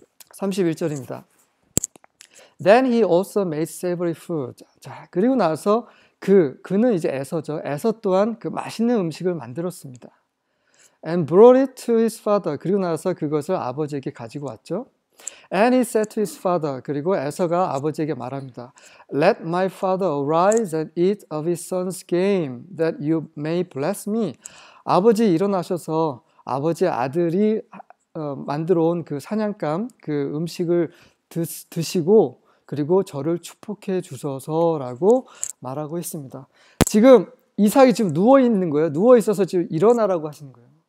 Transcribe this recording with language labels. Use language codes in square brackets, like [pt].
[ko] 31절입니다. [en] Then he also made savory food. [ko] 자, 그리고 나서 그는 이제 에서죠. 에서 또한 그 맛있는 음식을 만들었습니다. [en] And brought it to his father. [ko] 그리고 나서 그것을 아버지에게 가지고 왔죠. [en] And he said to his father, [ko] 그리고 에서가 아버지에게 말합니다. [en] Let my father arise and eat of his son's game, that you may bless me. [ko] 아버지 일어나셔서 아버지 아들이 만들어 온그 사냥감, 그 음식을 드시고, 그리고 저를 축복해 주소서라고 말하고 있습니다. 지금 이삭이 지금 누워 있는 거예요. 누워 있어서 지금 일어나라고 하시는 거예요.